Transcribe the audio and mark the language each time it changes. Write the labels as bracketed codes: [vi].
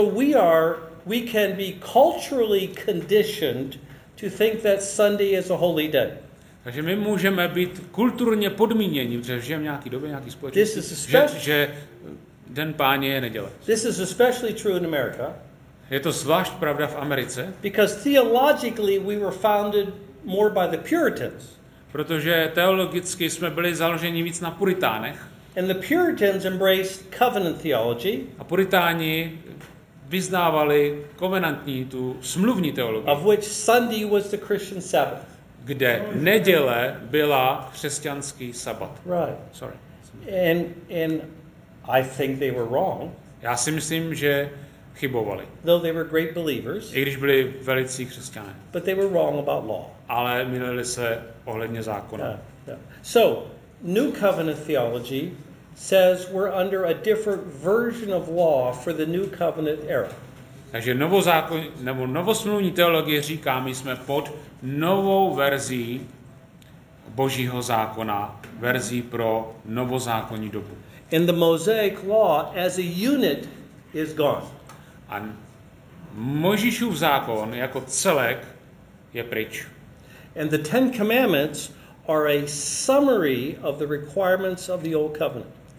[en] So we can be culturally conditioned to think that Sunday is a holy day. [cs] Takže my můžeme být kulturně podmíněni, že žijeme nějaký době, nějaký společnosti, že den Páně je neděle. [en] This is especially true in America. [cs] Je to zvlášť pravda v Americe. [en] Because theologically we were founded more by the Puritans. [cs] Protože teologicky jsme byli založeni víc na Puritánech. [en] And the Puritans embraced covenant theology. [cs] A Puritáni vyznávali covenantní, tu smluvní teologii. [en] Of which Sunday was the Christian Sabbath. [cs] Kde neděle byla křesťanský sabat. [en] Right. Sorry. And I think they were wrong. [cs] Já si myslím, že chybovali. [en] Though they were great believers. [cs] I když byli velcí křesťané. [en] But they were wrong about law. [cs] Ale mýlili se ohledně zákona. [en] So, New Covenant theology says we're under a different version of law for the New Covenant era. [cs] Takže novozákonní nebo novosmluvní teologie říká, my jsme pod novou verzí Božího zákona, verzí pro novozákonní dobu. [en] And the Mosaic law as a unit is gone. [cs] A Mojžíšův zákon jako celek je pryč. [en] And the Ten Commandments are a summary of the requirements of the Old Covenant.